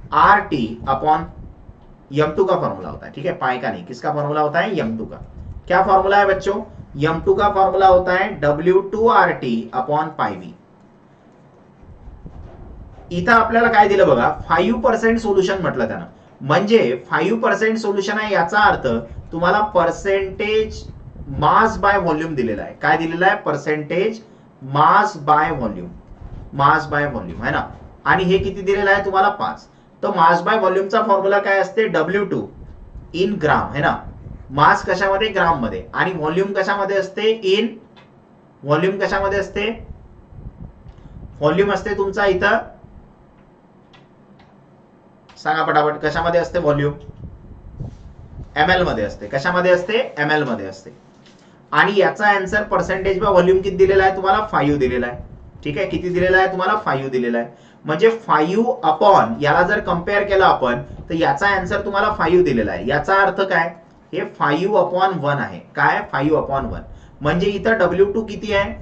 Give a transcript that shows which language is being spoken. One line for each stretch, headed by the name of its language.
Hindi: W2 RT / M2 का formula होता है। ठीक है, पाए का नहीं, किसका फॉर्मूला होता है? M2 का। क्या फॉर्मूला है बच्चों? M2 का फॉर्मूला होता है W2 RT / πV।
Marathi: इथं आपल्याला काय दिलं बघा, 5% सोल्यूशन म्हटलं त्यांना, म्हणजे 5% सोल्यूशन आहे याचा अर्थ तुम्हाला परसेंटेज मास बाय व्हॉल्यूम दिलेला आहे। काय दिलेला आहे? Percentage mass by volume, mass by volume है ना, आणि हे किती दिलेला आहे तुम्हाला? 5। तो मास बाय व्हॉल्यूमचा फॉर्म्युला काय असते? W2 इन ग्राम है ना, मास कशामध्ये? ग्राम मध्ये, आणि व्हॉल्यूम कशामध्ये असते? इन व्हॉल्यूम कशामध्ये असते? व्हॉल्यूम असते तुमचा इथं, सांगा पटापट, कशामध्ये असते व्हॉल्यूम? ML मध्ये असते। कशामध्ये असते? ML मध्ये असते। आणि याचा आंसर परसेंटेज बाय व्हॉल्यूम किती दिलेला आहे तुम्हाला? 5 दिलेला आहे। ठीक आहे, किती दिलेला आहे तुम्हाला? 5 दिलेला आहे, म्हणजे 5/ याला जर कंपेयर केलं आपण, तर याचा आंसर तुम्हाला 5 दिलेला आहे। याचा अर्थ काय? हे 5/1 आहे। काय? 5/1, म्हणजे इथं W2 किती आहे?